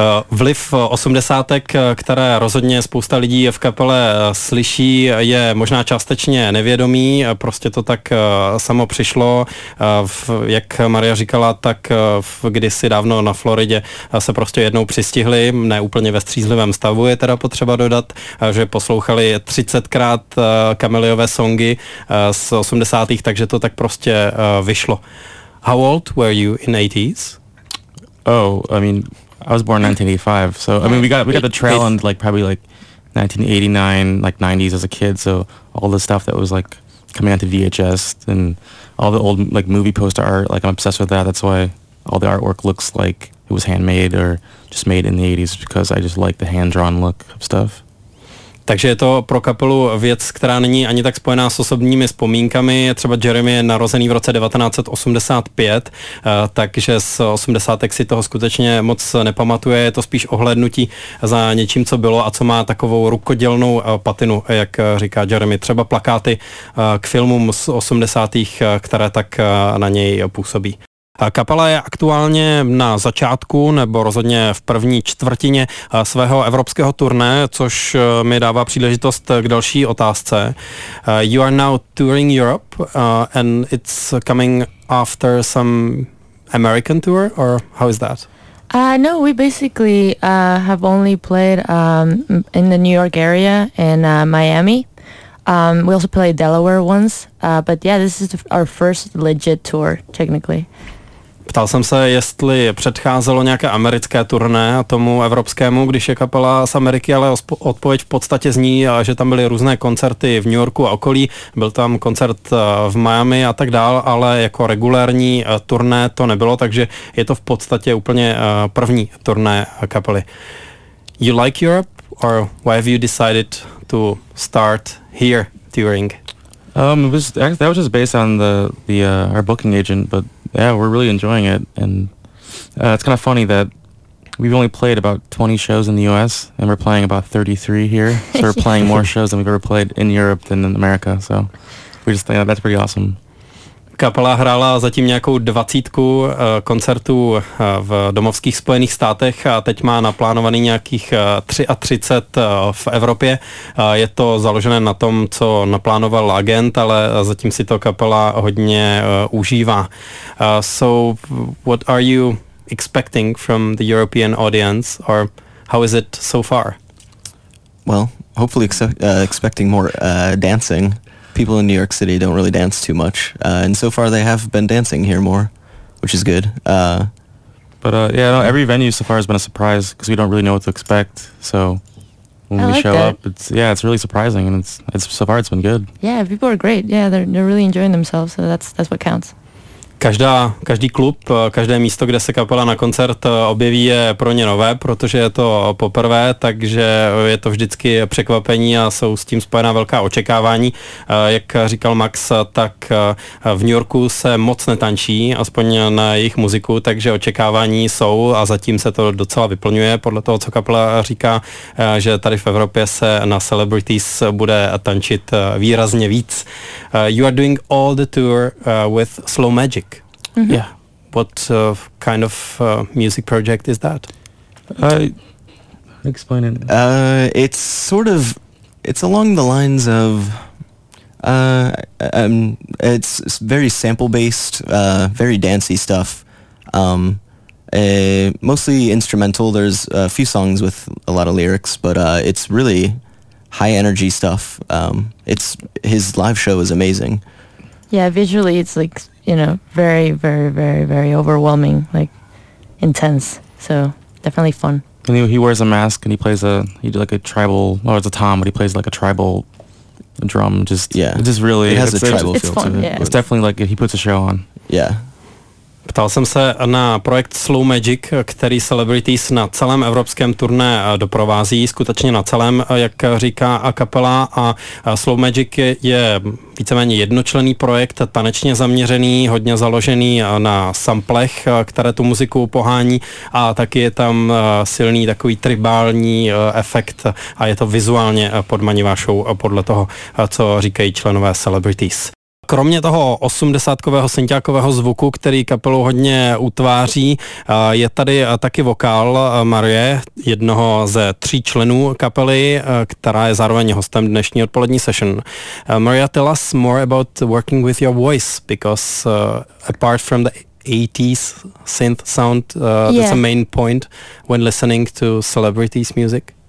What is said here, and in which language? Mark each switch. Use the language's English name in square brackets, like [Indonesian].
[Czech] Vliv osmdesátek, které rozhodně spousta lidí v kapele slyší, je možná částečně nevědomý, prostě to tak samo přišlo. Jak Maria říkala, tak kdysi dávno na Floridě se prostě jednou přistihli, ne úplně ve střízlivém stavu je teda potřeba dodat, že poslouchali 30krát Kameliové songy z 80. takže to tak prostě vyšlo. [English] How old were you in 80s? Oh, I mean, I was born in 1985, so I mean, we got the trail in like probably like 1989, like 90s as a kid. So all the stuff that was like coming out to VHS and all the old like movie poster art, like I'm obsessed with that. That's why all the artwork looks like it was handmade or just made in the 80s, because I just like the hand-drawn look of stuff. [Czech] Takže je to pro kapelu věc, která není ani tak spojená s osobními vzpomínkami. Třeba Jeremy je narozený v roce 1985, takže z 80. si toho skutečně moc nepamatuje. Je to spíš ohlédnutí za něčím, co bylo a co má takovou rukodělnou patinu, jak říká Jeremy. Třeba plakáty k filmům z 80., které tak na něj působí. Kapela je aktuálně na začátku, nebo rozhodně v první čtvrtině svého evropského turné, což mi dává příležitost k další otázce. [English] You are now touring Europe, and it's coming after some American tour, or how is that? No, we basically have only played in the New York area and Miami. We also played Delaware once, but yeah, this is our first legit tour, technically. [Czech] Ptal jsem se, jestli předcházelo nějaké americké turné tomu evropskému, když je kapela z Ameriky, ale odpověď v podstatě zní, že tam byly různé koncerty v New Yorku a okolí, byl tam koncert v Miami a tak dál, ale jako regulární turné to nebylo, takže je to v podstatě úplně první turné kapely. [English] You like Europe, or why have you decided to start here touring? That was just based on our booking agent, but yeah, we're really enjoying it, and it's kind of funny that we've only played about 20 shows in the U.S., and we're playing about 33 here, so we're playing more shows than we've ever played in Europe than in America, so we just think that's pretty awesome. [Czech] Kapela hrála zatím nějakou 20 koncertů v domovských Spojených státech a teď má naplánovaný nějakých 33 v Evropě. Je to založené na tom, co naplánoval agent, ale zatím si to kapela hodně užívá. [English] So what are you expecting from the European audience, or how is it so far? Well, hopefully expecting more dancing. People in New York City don't really dance too much, and so far they have been dancing here more, which is good. Every venue so far has been a surprise, because we don't really know what to expect, so when I we like show that. Up, it's really surprising, and it's so far it's been good. Yeah, people are great, yeah, they're really enjoying themselves, so that's what counts. [Czech] Každý klub, každé místo, kde se kapela na koncert objeví, je pro ně nové, protože je to poprvé, takže je to vždycky překvapení a jsou s tím spojená velká očekávání. Jak říkal Max, tak v New Yorku se moc netančí, aspoň na jejich muziku, takže očekávání jsou a zatím se to docela vyplňuje podle toho, co kapela říká, že tady v Evropě se na Celebrities bude tančit výrazně víc. [English] You are doing all the tour with Slow Magic. Mm-hmm. Yeah. What kind of music project is that? Explain it. It's along the lines of it's very sample based, very dancey stuff. Mostly instrumental. There's a few songs with a lot of lyrics, but it's really high energy stuff. His live show is amazing. Yeah, visually it's like, you know, very, very, very, very overwhelming, like intense. So definitely fun. And he wears a mask and he plays like a tribal drum. It has a tribal feel to it. It's definitely like he puts a show on. Yeah. [Czech] Ptal jsem se na projekt Slow Magic, který Celebrities na celém evropském turné doprovází, skutečně na celém, jak říká a kapela. A Slow Magic je víceméně jednočlenný projekt, tanečně zaměřený, hodně založený na samplech, které tu muziku pohání, a taky je tam silný takový tribální efekt a je to vizuálně podmanivá show podle toho, co říkají členové Celebrities. Kromě toho 80-kového synťákového zvuku, který kapelu hodně utváří, je tady taky vokál Marie, jednoho ze tří členů kapely, která je zároveň hostem dnešní odpolední session. [English] Maria, tell us more about working with your voice, because apart from the 80s synth sound, that's a main point when listening to Celebrities music.